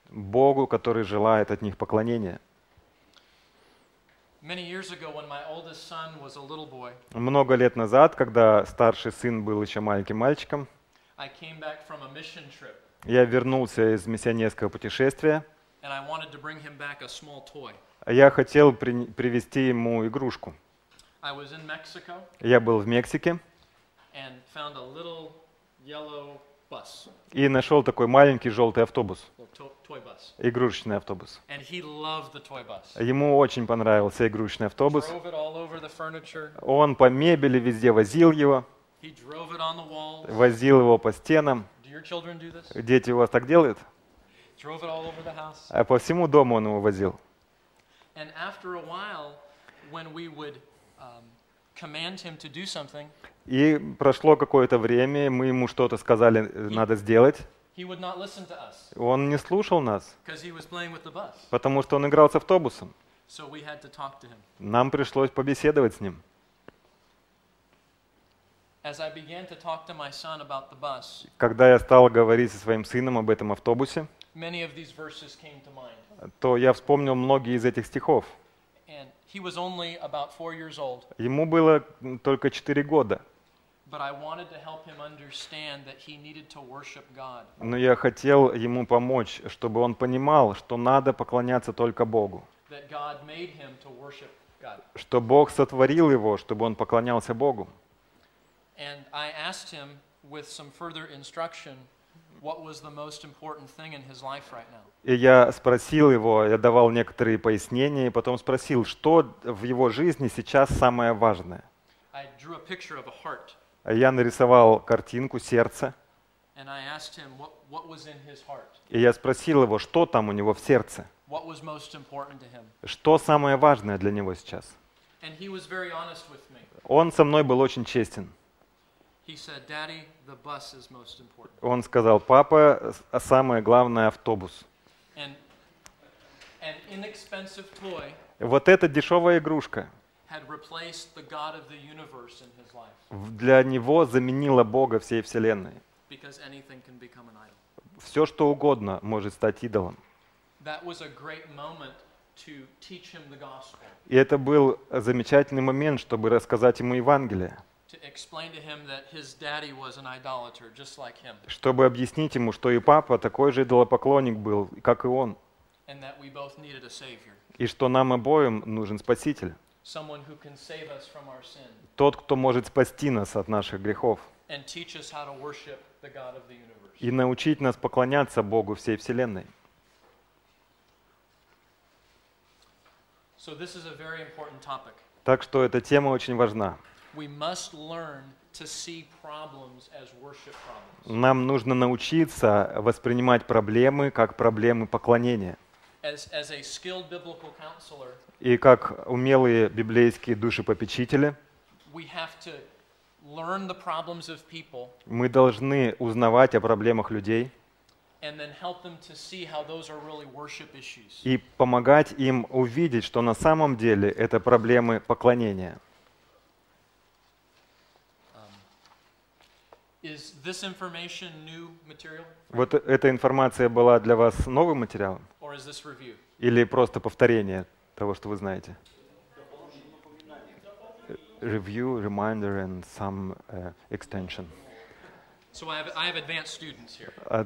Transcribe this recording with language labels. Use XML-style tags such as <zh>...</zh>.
<ru>Богу, который желает от них поклонения.</ru> <en>Many years ago, when my oldest son was a little boy,</en> <ru>много лет назад, когда старший сын был еще маленьким мальчиком,</ru> <en>I came back from a mission trip.</en> <ru>Я вернулся из миссионерского путешествия.</ru> <en>And I wanted to bring him back a small toy.</en> <ru>Я хотел привезти ему игрушку.</ru> <en>I was in Mexico.</en> <ru>Я был в Мексике.</ru> <en>And found a little yellow bus.</en> <ru>И нашел такой маленький желтый автобус.</ru> <en>Toy bus.</en> <ru>Игрушечный автобус.</ru> <en>And he loved the toy bus.</en> <ru>Ему очень понравился игрушечный автобус.</ru> <en>Drove it all over the furniture.</en> <ru>Он по мебели везде возил его.</ru> <en>He drove it on the walls.</en> <ru>Возил его по стенам.</ru> <en>Do your children do this?</en> <ru>Дети у вас так делают?</ru> <en>Drove it all over the house.</en> <ru>А по всему дому он его возил.</ru> <en>And after a while, when we would command him to do something,</en> <ru>и прошло какое-то время, мы ему что-то сказали, надо сделать.</ru> <en>He would not listen to us.</en> <ru>Он не слушал нас.</ru> <en>Because he was playing with the bus.</en> <ru>Потому что он играл с автобусом.</ru> <en>So we had to talk to him.</en> <ru>Нам пришлось побеседовать с ним.</ru> <en>As I began to talk to my son about the bus.</en> <ru>Когда я стал говорить со своим сыном об этом автобусе.</ru> <en>Many of these verses came to mind.</en> <ru>То я вспомнил многие из этих стихов.</ru> <en>And he was only about 4 years old.</en> <ru>Ему было только 4 года.</ru> <en>But I wanted to help him understand that he needed to worship God.</en> <ru>Но я хотел ему помочь, чтобы он понимал, что надо поклоняться только Богу.</ru> <en>That God made him to worship God.</en> <ru>Что Бог сотворил его, чтобы он поклонялся Богу.</ru> <en>And I asked him with some further instruction what was the most important thing in his life right now.</en> <ru>И я спросил его, я давал некоторые пояснения, и потом спросил, что в его жизни сейчас самое важное.</ru> <en>I drew a picture of a heart.</en> <ru>Я нарисовал картинку сердца.</ru> <en>And I asked him what was in his heart.</en> <ru>И я спросил его, что там у него в сердце.</ru> <en>What was most important to him.</en> <ru>Что самое важное для него сейчас.</ru> <en>And he was very honest with me.</en> <ru>Он со мной был очень честен.</ru> <en>He said, Daddy, the bus is most important.</en> <ru>Он сказал, папа, самое главное автобус.</ru> <en>And an inexpensive toy.</en> <ru>Вот эта дешевая игрушка.</ru> <en>Had replaced the God of the universe in his life.</en> <ru>Для него заменила Бога всей вселенной.</ru> <en>Because anything can become an idol.</en> <ru>Все, что угодно, может стать идолом.</ru> <en>That was a great moment to teach him the gospel.</en> <ru>И это был замечательный момент, чтобы рассказать ему Евангелие.</ru> <en>To explain to him that his daddy was an idolater, just like him.</en> <ru>Чтобы объяснить ему, что и папа такой же идолопоклонник был, как и он.</ru> <en>And that we both needed a savior.</en> <ru>И что нам обоим нужен спаситель.</ru> <en>Someone who can save us from our sin.</en> <ru>Тот, кто может спасти нас от наших грехов.</ru> <en>And teach us how to worship the God of the universe.</en> <ru>И научить нас поклоняться Богу всей вселенной.</ru> <en>So this is a very important topic.</en> <ru>Так что эта тема очень важна.</ru> <en>We must learn to see problems as worship problems.</en> <ru>Нам нужно научиться воспринимать проблемы как проблемы поклонения.</ru> <en>As a skilled biblical counselor,</en> <ru>и как умелые библейские душепопечители,</ru> <en>we have to learn the problems of people,</en> <ru>мы должны узнавать о проблемах людей</ru> <en>and then help them to see how those are really worship issues.</en> <ru>И помогать им увидеть, что на самом деле это проблемы поклонения.</ru> <en>Is this information new material?</en> <ru>Вот эта информация была для вас новым материалом?</ru> <en>Or is this review?</en> <ru>Или просто повторение того, что вы знаете?</ru> <en>Review, reminder, and some extension. So I have advanced students here.</en>